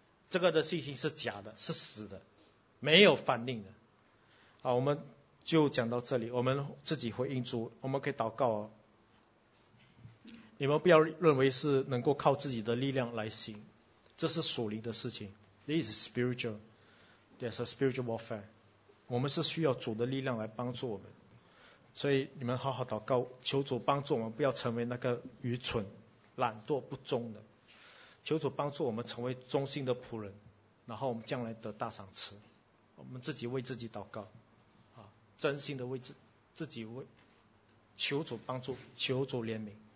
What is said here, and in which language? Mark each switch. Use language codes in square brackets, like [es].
[zh] 这个的信心是假的，是死的，没有反应的。好，我们就讲到这里，我们自己回应主，我们可以祷告哦。你们不要认为是能够靠自己的力量来行，这是属灵的事情。 [en] This is spiritual, there's a spiritual warfare。 [zh] 我们是需要主的力量来帮助我们，所以你们好好祷告，求主帮助我们，不要成为那个愚蠢懒惰不忠的，求主帮助我们成为忠心的仆人，然后我们将来得大赏赐。我们自己为自己祷告，啊，真心的为自己为，求主帮助，求主怜悯。